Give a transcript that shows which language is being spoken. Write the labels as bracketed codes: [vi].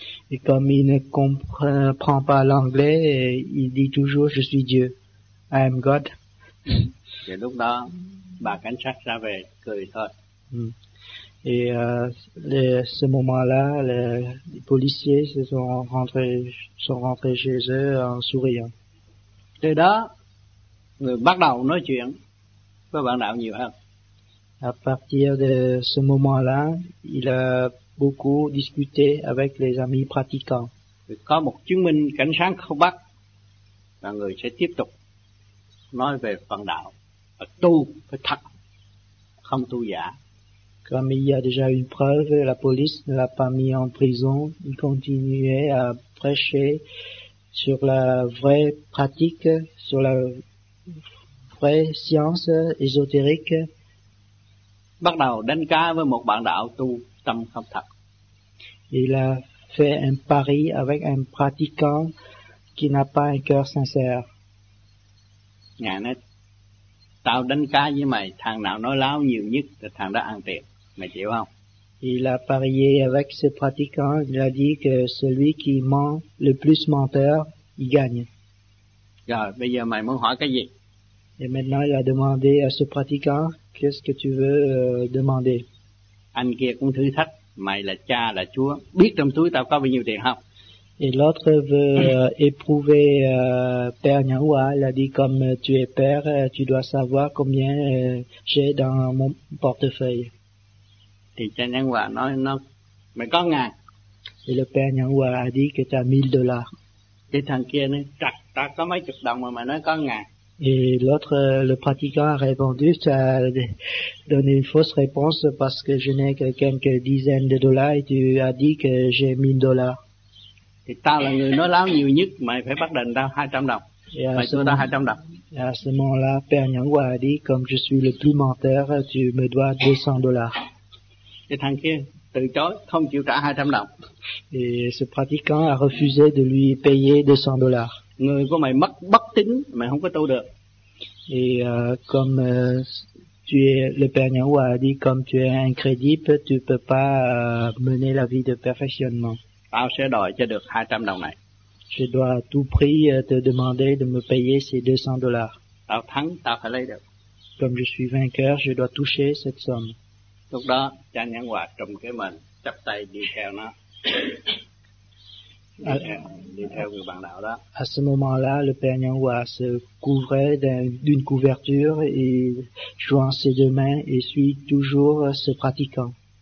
[fr] Et comme il ne comprend pas l'anglais, il dit toujours je suis Dieu. [en] I am God. [fr] Et donc là, [vi] bà cảnh sát ra về cười thôi. [fr] Et à ce moment-là, les policiers se sont rentrés chez eux en souriant. [vi] Từ đó, người bắt đầu nói chuyện với bạn đạo nhiều hơn. [fr] À partir de ce moment-là, il a beaucoup discuté avec les amis pratiquants. [vi] Có một chứng minh cảnh sáng không bắt, là người sẽ tiếp tục nói về phần đạo, và tu phải thật, không tu giả. [fr] Comme il y a déjà une preuve, la police ne l'a pas mis en prison, il continuait à prêcher sur la vraie pratique, sur la vraie science ésotérique. [vi] Bắt đầu đánh cá với một bạn đạo tu tâm không thật. [fr] Il a fait un pari avec un pratiquant qui n'a pas un cœur sincère. [vi] Ngài nói, tao đánh cá với mày, thằng nào nói láo nhiều nhất thì thằng đó ăn tiền. Mày chịu không? [fr] Il a parié avec ce pratiquant, il a dit que celui qui ment le plus menteur, il gagne. [vi] Rồi, bây giờ mày muốn hỏi cái gì? [fr] Et maintenant il a demandé à ce pratiquant, qu'est-ce que tu veux demander? [vi] Anh kia cũng thử thách, mày là cha là chúa, biết trong túi tao có bao nhiêu tiền không? [fr] Et l'autre veut éprouver Père Nyahua, il a dit comme tu es père, tu dois savoir combien j'ai dans mon portefeuille. [vi] Thì cha Nhân Hòa nói nó mày có ngàn. Thì [fr] le père Nhân Hòa a dit que t'as 1000 dollars. [vi] Cái thằng kia nói trật, ta có mấy chục đồng mà mày nói có ngàn. [fr] Et l'autre, le pratiquant a répondu, ça a donné une fausse réponse parce que je n'ai que quelques dizaines de dollars et tu as dit que j'ai 1000 dollars. [vi] Thì tao là người nói láo nhiều nhất, mày phải bắt đền tao 200 đồng. Mày cho tao 200 đồng. [fr] Et à ce moment-là, père Nhân Hòa a dit, comme je suis le plus menteur, tu me dois 200 dollars. [vi] Cái thằng kia từ chối, không chịu trả 200 đồng. [fr] Et ce pratiquant a refusé de lui payer 200 dollars. [vi] Người của mày mất bất tín, mày không có tu được. [fr] Et comme tu es le père Nhân Hòa a dit comme tu es incrédible, tu peux pas mener la vie de perfectionnement. [vi] Tao sẽ đòi cho được 200 đồng này. [fr] Je dois à tout prix te demander de me payer ces 200 dollars. [vi] Tao thắng, tao phải lấy được. [fr] Comme je suis vainqueur, je dois toucher cette somme. [vi] Lúc đó, cha Nhân Hòa trùm cái mền, chắp tay đi theo nó, đi theo người bạn đạo đó. [fr] À ce moment-là, le père Nhân Hòa se couvrait d'une couverture et joint ses deux mains et suit toujours ce pratiquant.